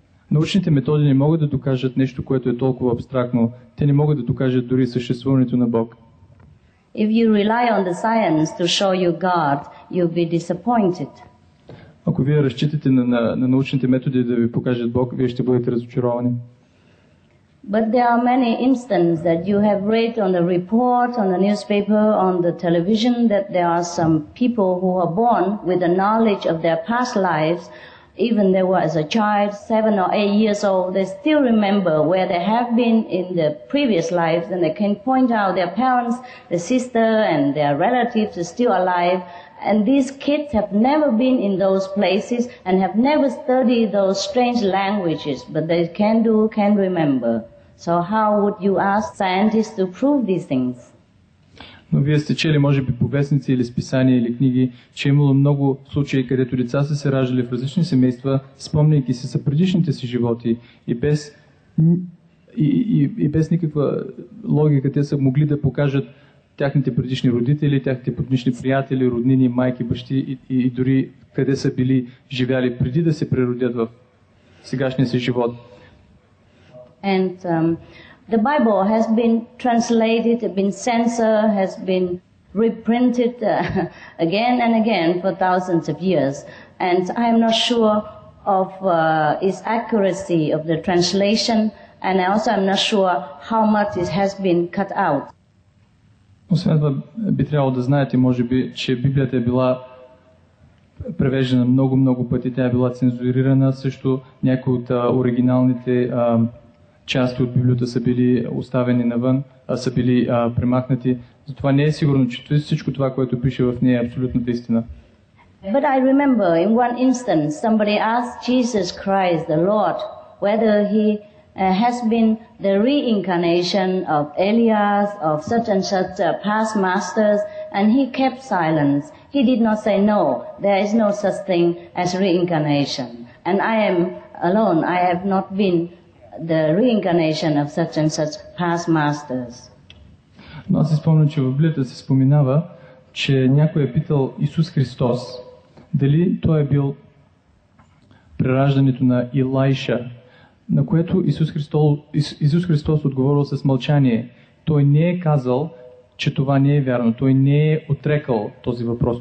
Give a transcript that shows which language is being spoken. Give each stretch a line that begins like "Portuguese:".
Bulgarian: Научните методи не могат да докажат нещо, което е толкова абстрактно. Те не могат да докажат дори съществуването на Бог.
English: If you rely on the science to show you God, you'll be disappointed.
Bulgarian: Ако вие разчитате на научните методи да ви покажат Бог, вие ще бъдете разочаровани.
English: But there are many instances that you have read on the report, on the newspaper, on the television, that there are some people who are born with the knowledge of their past lives. Even they were as a child, 7 or 8 years old, they still remember where they have been in their previous lives, and they can point out their parents, their sister, and their relatives are still alive. And these kids have never been in those places and have never studied those strange languages, but they can remember. So how would you ask scientists to prove these things?
Bulgarian: Но вие сте чели, може би, по вестници или списания или книги, че имало много случаи, където деца са се раждали в различни семейства, спомняйки се за предишните си животи и без никаква логика те са могли да покажат тяхните предишни родители, тяхните предишни приятели, роднини, майки, бащи и дори къде са били живяли преди да се преродят в сегашния си живот.
English: The Bible has been translated, been censored, has been reprinted again and again for thousands of years. And I am not sure of its accuracy of the translation, and I also am not sure how much it has been cut out.
Bulgarian: Освен това, би трябвало да знаете, може би, че Библията е била превеждена много-много пъти. Тя е била цензурирана, също някои от оригиналните части от Библията са били оставени навън, са били премахнати. Затова не е сигурно, че всичко това, което пише в нея, е абсолютната истина.
English: But I remember in one instance somebody asked Jesus Christ, the Lord, whether he has been the reincarnation of Elias, of such and such past masters, and he kept silence. He did not say no, there is no such thing as reincarnation. And I am alone, I have not been the reincarnation of such and such past masters.
Bulgarian: Но аз си спомням, че в Библията се споменава, че някой е питал Исус Христос дали той е бил преражданието на Илайша, на което Исус Христос отговорил с мълчание. Той не е казал, че това не е вярно. Той не е отрекал този въпрос.